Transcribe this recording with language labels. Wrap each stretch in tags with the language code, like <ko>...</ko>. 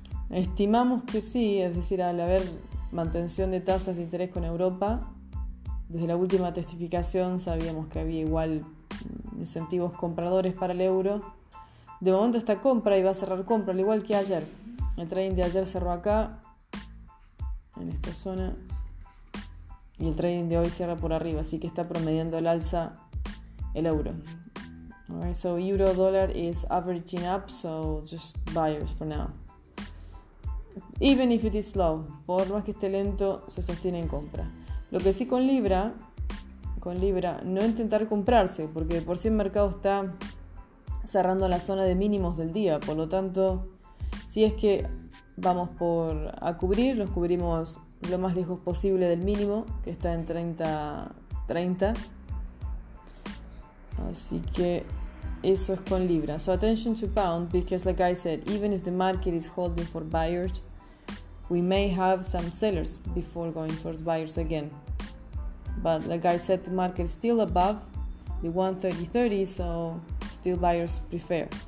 <es>Estimamos que sí, es decir, al haber mantención de tasas de interés con Europa, desde la última testificación sabíamos que había igual incentivos compradores para el euro. De momento está compra y va a cerrar compra, al igual que ayer. El trading de ayer cerró acá, en esta zona, y el trading de hoy cierra por arriba, así que está promediando el alza el euro.</es> <en>Alright, so euro dollar is averaging up, so just buyers for now. Even if it is slow,</en> <es>por más que esté lento, se sostiene en compra. Lo que sí con Libra, no intentar comprarse, porque de por sí el mercado está cerrando la zona de mínimos del día. Por lo tanto, si es que vamos por a cubrir, los cubrimos lo más lejos posible del mínimo, que está en 30-30. Así que eso es con Libra.</es> <en>So attention to pound, because like I said, even if the market is holding for buyers, we may have some sellers before going towards buyers again. But like I said, the market is still above the 130-30, so still buyers prefer.</en>